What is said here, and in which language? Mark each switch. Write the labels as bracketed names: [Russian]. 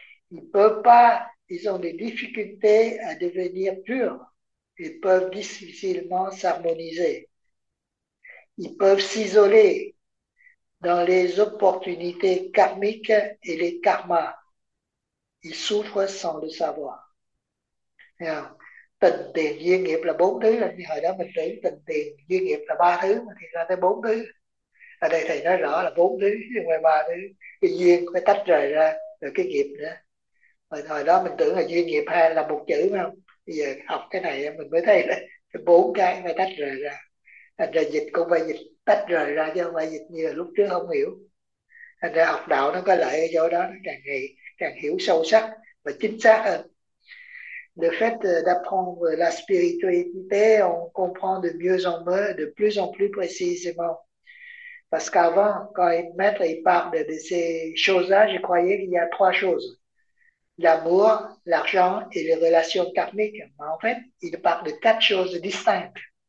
[French] Ils ont des difficultés à devenir purs. Ils peuvent difficilement s'harmoniser. Ils peuvent s'isoler dans les opportunités karmiques et les karmas. Ils souffrent sans le savoir. Yeah. [Vietnamese] Tình, tiền, duyên, nghiệp là bốn thứ. Là như hồi đó mình tưởng tình, tiền, duyên, nghiệp là ba thứ. Thì ra tới bốn thứ. Ở đây thầy nói rõ là bốn thứ. Nhưng ngoài ba thứ. Cái duyên phải tách rời ra. Rồi cái nghiệp nữa. Hồi đó mình tưởng là duyên, nghiệp hai là một chữ phải không? Bây giờ học cái này mình mới thấy là bốn cái phải tách rời ra. Thành ra dịch cũng phải dịch tách rời ra. Chứ không phải dịch như là lúc trước không hiểu. Thành ra học đạo nó có lợi ở chỗ đó, nó càng ngày càng hiểu sâu sắc và chính xác hơn. [French] Le fait d'apprendre la spiritualité, on comprend de mieux en mieux, de plus en plus précisément. Parce qu'avant, quand maître il parle de ces choses-là, je croyais qu'il y a trois choses. L'amour, l'argent et les relations karmiques. Mais en fait, il parle de quatre choses distinctes.